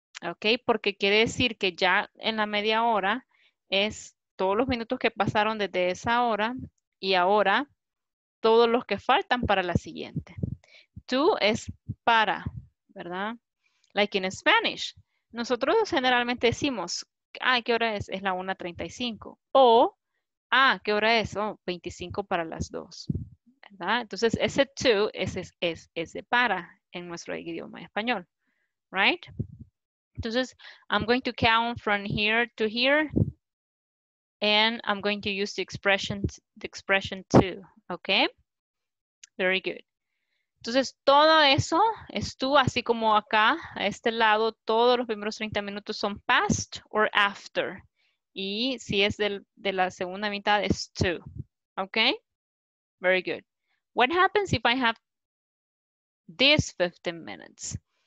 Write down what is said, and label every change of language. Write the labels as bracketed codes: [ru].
[es] Okay, porque quiere decir que ya en la media hora es todos los minutos que pasaron desde esa hora y ahora todos los que faltan para la siguiente. Two es para, ¿verdad? [en] Like in Spanish. [es] Nosotros generalmente decimos, ah, ¿qué hora es? Es la 1:35. O, ah, ¿qué hora es? Oh, 25 para las 2. ¿Verdad? Entonces, ese to es de para en nuestro idioma español. [en] Right? Entonces, I'm going to count from here to here. And I'm going to use the expression to. ¿Ok? Very good. [es] Entonces, todo eso es tú, así como acá, a este lado, todos los primeros 30 minutos son past or after. Y si es de la segunda mitad, es to. [en] ¿Ok? Very good. What happens if I have this 15 minutes?